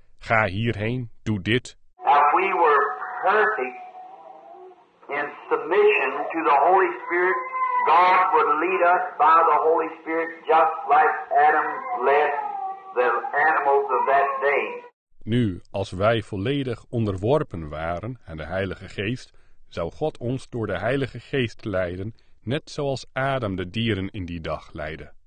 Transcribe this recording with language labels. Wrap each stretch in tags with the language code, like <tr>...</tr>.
<nl>Ga hierheen, doe dit.</nl> <en>Now, we were perfect in submission to the Holy Spirit. God would lead us by the Holy Spirit, just like Adam led the animals of that day.</en> <nl>Nu, als wij volledig onderworpen waren aan de Heilige Geest, zou God ons door de Heilige Geest leiden, net zoals Adam de dieren in die dag leidde.</nl>